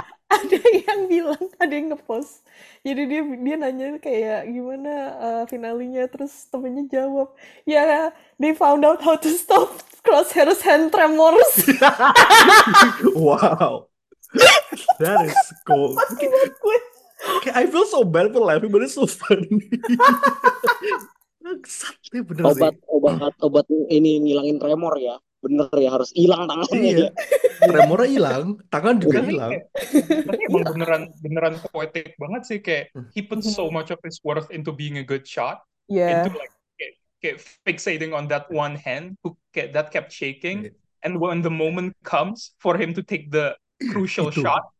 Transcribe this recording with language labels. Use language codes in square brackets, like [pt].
[id] Ada yang bilang, ada yang ngepost. Jadi dia nanya kayak gimana finalenya, terus temennya jawab, ya yeah, [en] they found out how to stop Crosshair's hand tremors. Wow, that is cool. Okay, I feel so bad for laughing, but it's so funny. [id] Bener obat sih. obat ini ngilangin tremor ya, bener ya, harus hilang tangannya. Iya. Tremornya hilang, tangan juga hilang. Tapi emang beneran poetik banget sih, kayak [en] he put so much of his worth into being a good shot, yeah. Into like [id] kayak [en] fixating on that one hand that kept shaking, yeah. And when the moment comes for him to take the crucial shot,